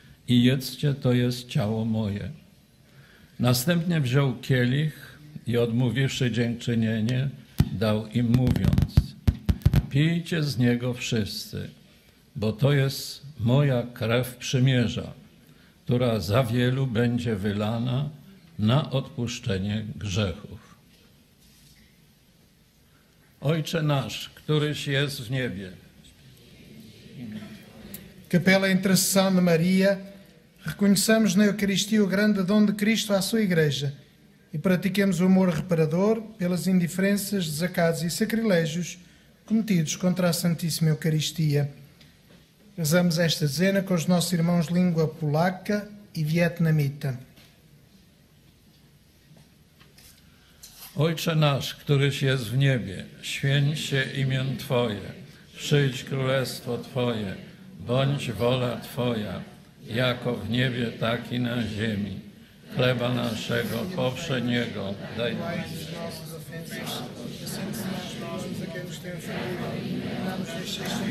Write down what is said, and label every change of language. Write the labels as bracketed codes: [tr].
[pl] i jedzcie to jest ciało moje. Następnie wziął kielich i odmówiwszy dziękczynienie, dał im mówiąc: pijcie z niego wszyscy, bo to jest moja krew przymierza, która za wielu będzie wylana na odpuszczenie grzechów. Ojcze nasz, któryś jest w niebie. [pt] Capela intercessão de Maria, reconheçamos na Eucaristia o grande dom de Cristo à sua Igreja e pratiquemos o amor reparador pelas indiferenças, desacados e sacrilégios cometidos contra a Santíssima Eucaristia. Rezamos esta dezena com os nossos irmãos de língua polaca e vietnamita. [pl] Ojcze nasz, któryś jest w niebie, święć się imię Twoje, przyjdź królestwo Twoje, bądź wola Twoja, jako w niebie, tak i na ziemi. Chleba naszego powszedniego daj nam dzisiaj.